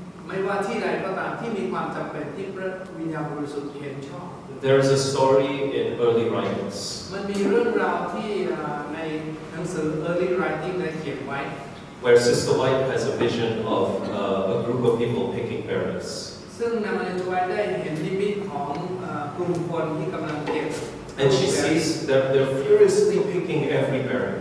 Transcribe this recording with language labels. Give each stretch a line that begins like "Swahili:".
Thai: ไม่ว่าที่ใดก็ตามที่มีความจำเป็นที่พระวิญญาณบริสุทธิ์เห็นชอบ
English: There is a story in early writings
Thai: มันมีเรื่องราวที่ในหนังสือ early writing ได้เขียนไว้
English: Where Sister White has a vision of a group of people picking berries
Thai: ซึ่งนางจูไวได้เห็นนิมิตของกลุ่มคนที่กำลังเก็บ
English: And she sees that they're furiously picking every berry